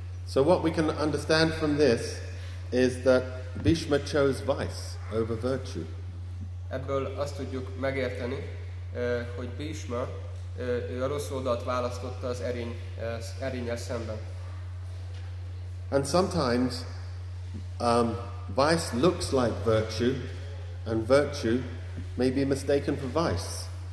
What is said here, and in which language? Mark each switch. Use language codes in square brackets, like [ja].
[en] So what we can understand from this is that Bhishma chose vice over virtue. [hu] Ebből azt tudjuk megérteni, hogy Bhishma ő a rossz oldalt választotta az erénnyel szemben. [en] And sometimes vice looks like virtue, and virtue may be mistaken for vice.